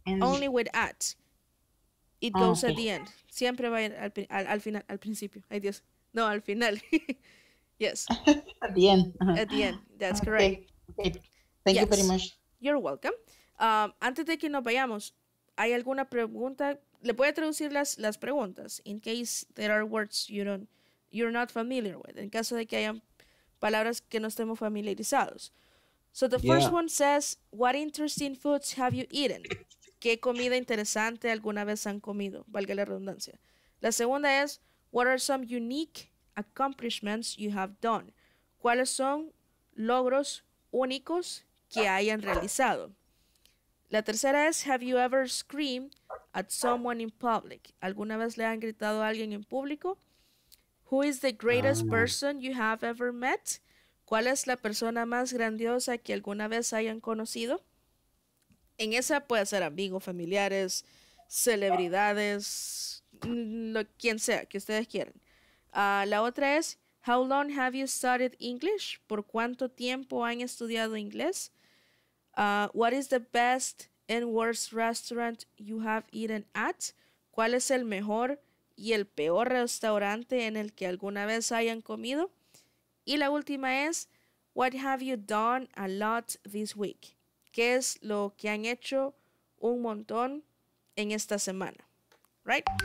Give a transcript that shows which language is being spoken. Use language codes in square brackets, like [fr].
[en] Only with at. It goes at the end. [es] Siempre va al final, al principio. Ay, Dios. No, al final. Yes. [en] At the end. At the end. That's correct. Okay. Thank you very much. You're welcome. [es] Antes de que nos vayamos, ¿hay alguna pregunta? Le voy a traducir las preguntas. [en] In case there are words you're not familiar with. [es] En caso de que hayan palabras que no estemos familiarizados. [en] So the first one says, what interesting foods have you eaten? [es] ¿Qué comida interesante alguna vez han comido? Valga la redundancia. La segunda es, [en] what are some unique accomplishments you have done? [es] ¿Cuáles son logros únicos que hayan realizado? La tercera es, [en] have you ever screamed at someone in public? [es] ¿Alguna vez le han gritado a alguien en público? [en] Who is the greatest person you have ever met? [es] ¿Cuál es la persona más grandiosa que alguna vez hayan conocido? En esa puede ser amigos, familiares, celebridades, quien sea que ustedes quieran. La otra es, [en] how long have you studied English? [es] ¿Por cuánto tiempo han estudiado inglés? [en] What is the best and worst restaurant you have eaten at? [es] ¿Cuál es el mejor y el peor restaurante en el que alguna vez hayan comido? Y la última es, [en] what have you done a lot this week? [es] ¿Qué es lo que han hecho un montón en esta semana? Right?